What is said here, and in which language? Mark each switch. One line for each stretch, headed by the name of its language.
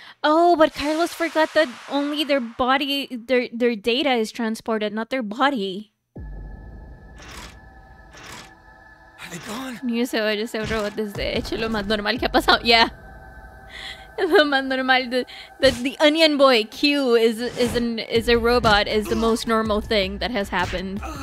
English: Oh, but Carlos forgot that only their body, their data is transported, not their body.
Spanish: Niño cebolla es un robot desde hecho, lo más normal que ha pasado.
English: Yeah.
Spanish: Lo más normal,
English: the Onion Boy Q is a robot is the most normal thing that has happened.